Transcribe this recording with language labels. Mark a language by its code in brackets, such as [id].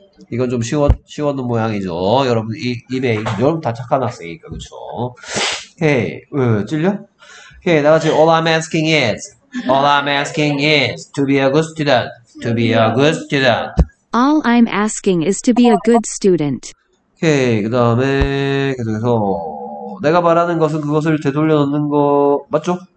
[ko] 이건 좀 쉬웠던 모양이죠. 여러분, 입에, 여러분 다 착한 학생이니까, 그쵸? 오케이, 찔려? 오케이, 나같이, [en] all I'm asking is, all I'm asking is to be a good student, to be a good student. All I'm asking is to be a good student. [ko] 오케이, 그 다음에, 계속해서, 내가 바라는 것은 그것을 되돌려 놓는 거, 맞죠?